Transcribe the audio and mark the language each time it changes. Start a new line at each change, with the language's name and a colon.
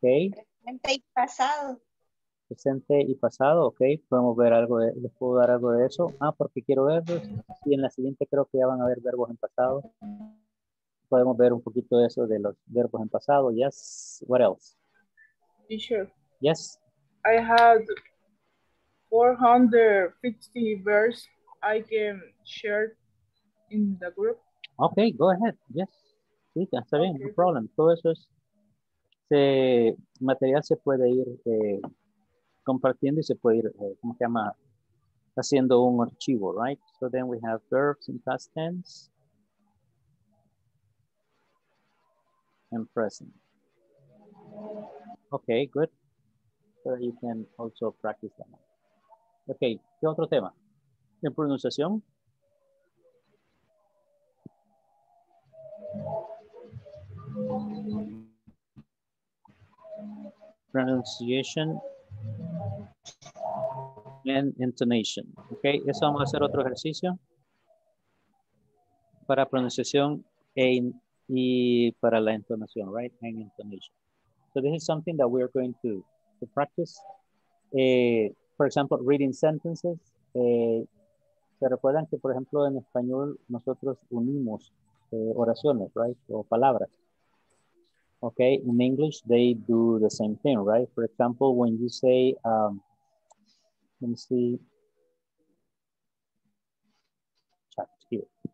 Spanish: Presente y pasado. Presente y pasado, ok. Podemos ver algo, de, les puedo dar algo de eso. Ah, porque quiero verlos. Y en la siguiente creo que ya van a ver verbos en pasado. Podemos ver un poquito de eso de los verbos en pasado.
English: Yes, what else? Teacher. Sure. Yes. I had 450 verbs I can share in the group. Ok, go ahead, yes.
Spanish: Sí, está bien,
English: no problem.
Spanish: Todo eso es, ese material se puede ir compartiendo y se puede ir, ¿cómo se llama? Haciendo un archivo, right?
English: So then we have verbs in past tense and present. Okay, good. So you can also practice them.
Spanish: Okay, ¿qué otro tema? ¿En pronunciación?
English: Pronunciation and intonation.
Spanish: Okay, eso vamos a hacer otro ejercicio para pronunciación y para la entonación, right?
English: And intonation. So this is something that we are going to practice. For example, reading sentences.
Spanish: ¿Se recuerdan que, por ejemplo, en español nosotros unimos oraciones, right? O palabras.
English: Okay, in English, they do the same thing, right? For example, when you say, let me see, chat here.